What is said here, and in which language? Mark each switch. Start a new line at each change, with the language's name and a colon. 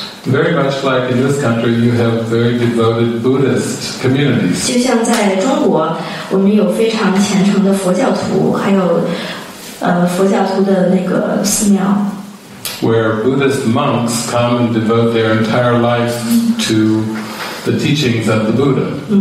English: Very much like in this country, you have very devoted Buddhist communities.
Chinese: 就像在中国, 我们有非常虔诚的佛教徒, 还有, 佛教徒的那个寺庙,
English: where Buddhist monks come and devote their entire life to the teachings of the Buddha.